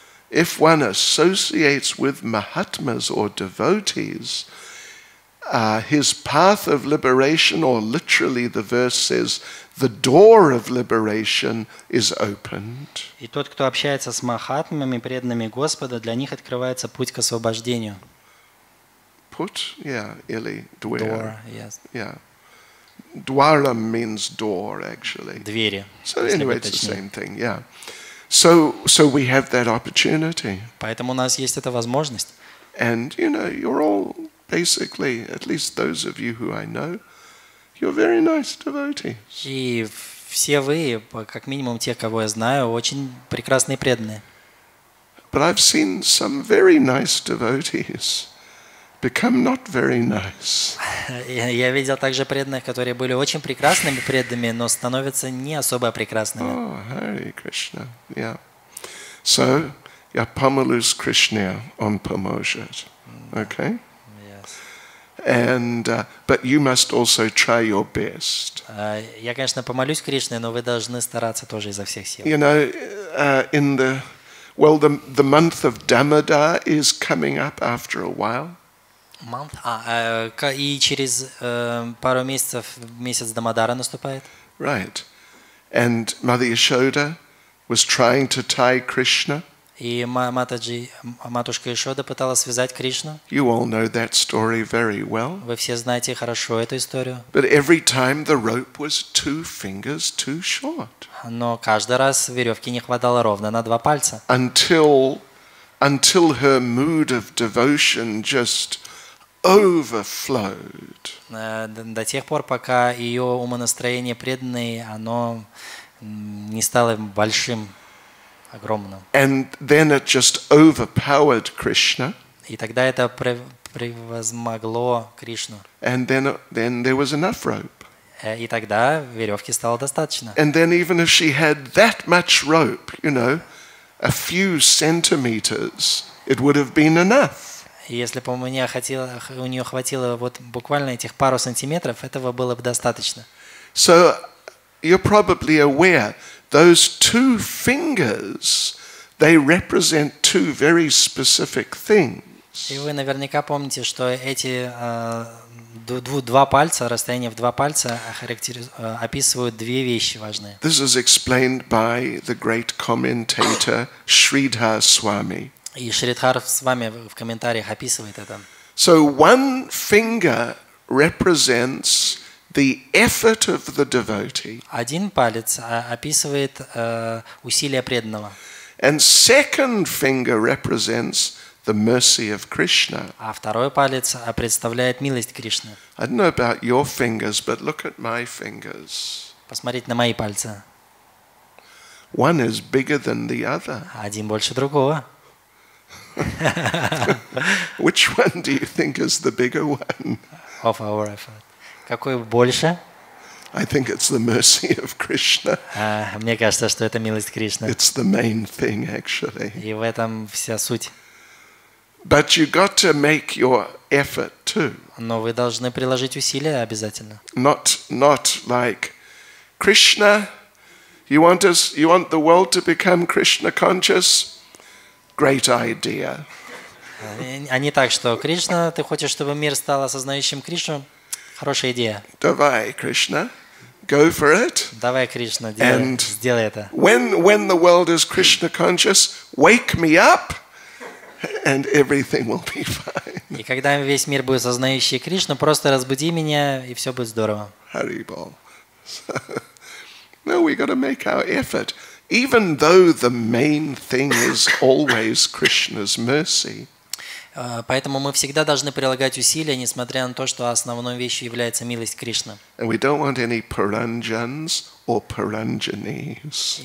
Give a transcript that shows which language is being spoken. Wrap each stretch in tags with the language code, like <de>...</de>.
<en>If one associates with mahatmas or devotees, his path of liberation, or literally the verse says, the door of liberation is opened.</en> <ru>И тот, кто общается с махатмами, преданными Господа, для них открывается путь к освобождению.</ru> <en>Put, yeah,</en> <ru>или</ru> <en>dwar. Door, yes. Yeah. Dwaram means door, actually.</en> <ru>Двери.</ru> <en>So anyway, it's the same thing, yeah. So we have that opportunity.</en> <ru>Поэтому у нас есть эта возможность.</ru> <en>And, you know, you're all basically, at least those of you who I know, you're very nice devotees.</en> <ru>И все вы, как минимум те, кого я знаю, очень прекрасные преданные.</ru> <en>But I've seen some very nice devotees become not very nice.</en> <ru>Я видел также преданных, которые были очень прекрасными преданными, но становятся не особо прекрасными.</ru> <en>Oh, Hare Krishna, yeah.</en> <ru>So, я помолюсь Кришне, он поможет.</ru> <en>Okay? And but you must also try your best.</en> <ru>Я, конечно, помолюсь Кришне, но вы должны стараться тоже изо всех сил.</ru> <en>You know, in the well, the month of Damodar is coming up after a while. Month?</en> <ru>И через пару месяцев месяц Дамодара наступает.</ru> <en>Right. And Mother Yashoda was trying to tie Krishna.</en> <ru>И матушка Ишода пыталась связать Кришну.</ru> <en>You all know that story very well.</en> <ru>Вы все знаете хорошо эту историю.</ru> <en>But every time the rope was two fingers too short.</en> <ru>Но каждый раз веревки не хватало ровно на два пальца.</ru> <en>Until her mood of devotion just overflowed.</en> <ru>До тех пор, пока ее умонастроение преданное, оно не стало большим. Огромным.</ru> <en>And then it just overpowered Krishna.</en> <ru>И тогда это превозмогло Кришну.</ru> <en>And then there was enough rope.</en> <ru>И тогда веревки стало достаточно.</ru> <en>And then even if she had that much rope, you know, a few centimeters, it would have been enough.</en> <ru>Если бы у нее хватило вот буквально этих пару сантиметров, этого было бы достаточно.</ru> <en>So you're probably aware. Those two fingers, they represent two very specific things.</en> <ru>И вы наверняка помните, что эти два пальца, расстояние в два пальца, описывают две вещи важные.</ru> <en>This is explained by the great commentator Sridhar Swami.</en> <ru>И Шридхар Свами в комментариях описывает это.</ru> <en>So one finger represents the effort of the devotee.</en> <ru>Один палец описывает усилия преданного.</ru> <en>And second finger represents the mercy of Krishna.</en> <ru>А второй палец представляет милость Кришны.</ru> <en>I don't know about your fingers, but look at my fingers.</en> <ru>Посмотрите на мои пальцы.</ru> <en>One is bigger than the other.</en> <ru>Один больше другого.</ru> <en>Which one do you think is the bigger one? Of our effort.</en> <ru>Какой больше?</ru> <en>I think it's the mercy of Krishna.</en> <ru>Мне кажется, что это милость Кришны.</ru> <en>It's the main thing, actually.</en> <ru>И в этом вся суть.</ru> <en>But you got to make your effort too.</en> <ru>Но вы должны приложить усилия обязательно.</ru> <en>Not like Krishna. You want the world to become Krishna conscious? Great idea.</en> <ru>А не так, что Кришна, ты хочешь, чтобы мир стал осознающим Кришну? Хорошая идея. Давай, Кришна,</ru> <en>go for it.</en> <ru>Давай, Кришна, сделай это.</ru> <en>When the world is Krishna conscious, wake me up, and everything will be fine.</en> <ru>И когда весь мир будет осознающий Кришну, просто разбуди меня, и все будет здорово.</ru> <en>Hare Bol. No, we got to make our effort, even though the main thing is always Krishna's mercy.</en> <ru>Поэтому мы всегда должны прилагать усилия, несмотря на то, что основной вещью является милость Кришны.</ru> <en>And we don't want any Puranjans or Puranjanis.</en>